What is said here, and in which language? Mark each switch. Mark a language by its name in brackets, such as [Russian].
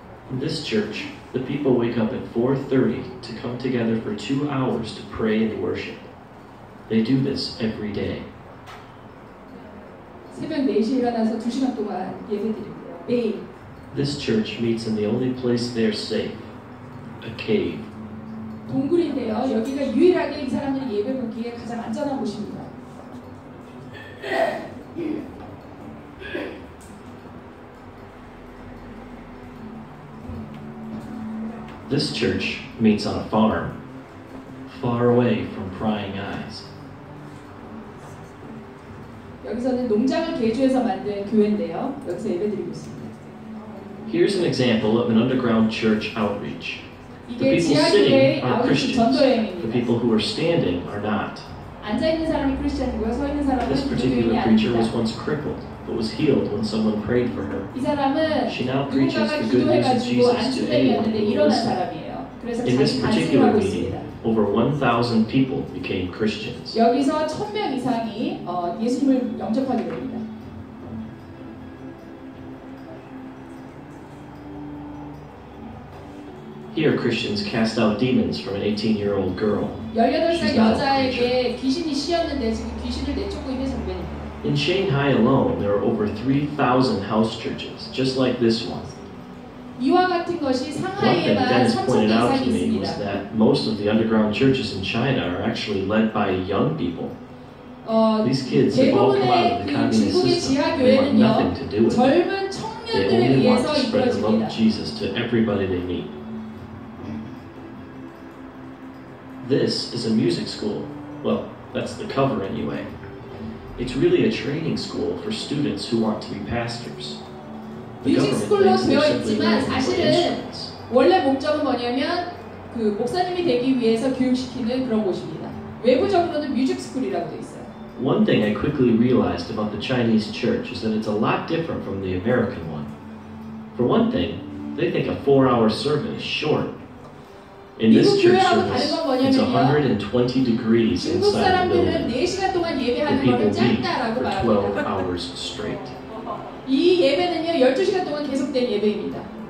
[English] In this church, the people wake up at 4:30 to come together for 2 hours to pray and worship. They do this every day. [Korean] 새벽 4시에 일어나서 2시간 동안 예배드립니다. 매일. [English] This church meets in the only place they're safe, a cave. [Korean] 동굴인데요. 여기가 유일하게 이 사람들이 예배 보기에 가장 안전한 곳입니다. [English] This church meets on a farm, far away from prying eyes. [Korean] 여기서는 농장을 개조해서 만든 교회인데요. 여기서 예배드리고 있습니다. [English] Here's an example of an underground church outreach. [Korean] 이게 지하교회의 아웃리치 전도여행입니다. [English] The people who are standing are not. [Korean] 앉아있는 사람이 크리스천이고요, 서있는 사람은 [English] This particular preacher was once crippled, but was healed when someone prayed for her. [Korean] 이 사람은 [English] She now preaches the good news of Jesus to anyone who will listen. In this particular meeting, over 1,000 people became Christians. [Korean] 여기서 1,000명 이상이 예수님을 영접하게 됩니다. [English] Here, Christians cast out demons from an 18-year-old girl. [Korean] 18살 여자에게 귀신이 씌었는데 지금 귀신을 내쫓고 있는 선배님. [English] In Shanghai alone, there are over 3,000 house churches, just like this one. [Korean] 이와 같은 것이 상하이에만 3,000 이상 있습니다. [English] What Dennis pointed out to me was that most of the underground churches in China are actually led by young people. These kids have all come out of the communist system. They want nothing to do with it. They only want to spread the love of Jesus to everybody they meet. This is a music school. Well, that's the cover anyway. It's really a training school for students who want to be pastors. [Korean] The 뮤직스쿨로 되어 있지만 사실은 원래 목적은 뭐냐면 그 목사님이 되기 위해서 교육시키는 그런 곳입니다. 외부적으로는 뮤직스쿨이라고 돼 있어요. [English] One thing I quickly realized about the Chinese church is that it's a lot different from the American one. For one thing, they think a four-hour sermon is short. In this church service, it's 120 degrees inside the building. The people meet for 12 hours straight. [Korean] 이 예배는요, 12시간 동안 계속된 예배입니다.